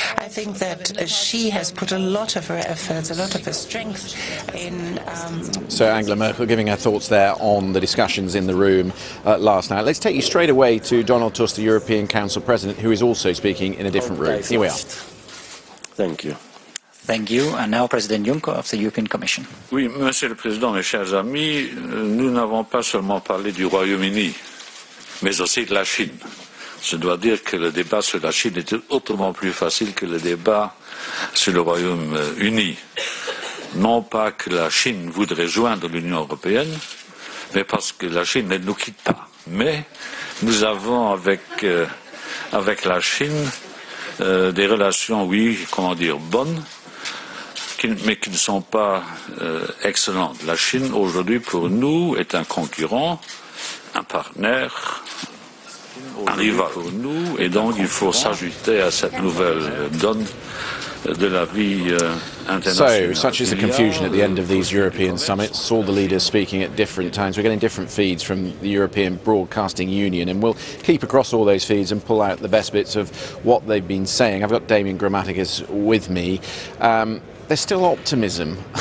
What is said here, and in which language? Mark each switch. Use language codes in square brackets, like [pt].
[en] I think that she has put a lot of her efforts, a lot of her strength in. So Angela Merkel giving her thoughts there on the discussions in the room last night. Let's take you straight away to Donald Tusk, the European Council President, who is also speaking in a different room. Here we are. Thank you. Thank you. And now President Juncker of the European Commission. [fr] Oui, Monsieur le Président, mes chers amis, nous n'avons pas seulement parlé du Royaume-Uni, mais aussi de la Chine. Je dois dire que le débat sur la Chine était autrement plus facile que le débat sur le Royaume-Uni. Non pas que la Chine voudrait joindre l'Union européenne, mais parce que la Chine ne nous quitte pas. Mais nous avons avec la Chine des relations, oui, comment dire, bonnes, mais qui ne sont pas excellentes. La Chine, aujourd'hui, pour nous, est un concurrent, un partenaire, un rival pour nous, et donc il faut s'ajouter à cette nouvelle donne de la vie internationale. [en] So, such is the confusion at the end of these European summits, all the leaders speaking at different times. We're getting different feeds from the European Broadcasting Union, and we'll keep across all those feeds and pull out the best bits of what they've been saying. I've got Damian Grammaticus with me. There's still optimism.